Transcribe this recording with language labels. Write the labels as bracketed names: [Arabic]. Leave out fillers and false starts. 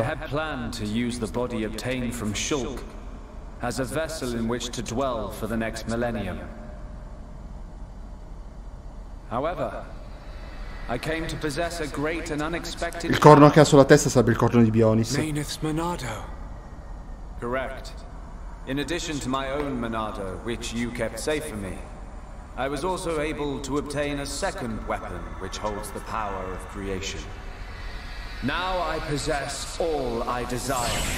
[English] I had planned to use the body obtained from Shulk as a vessel in which to dwell for the next millennium. However, I came to possess a great and unexpected... [Italian] Il corno che ha sulla testa sarebbe il corno di Bionis. [English] Maineth's Monado. Correct. In addition to my own Monado, which you kept safe for me, I was also able to obtain a second weapon which holds the power of creation. Now I possess all I desire.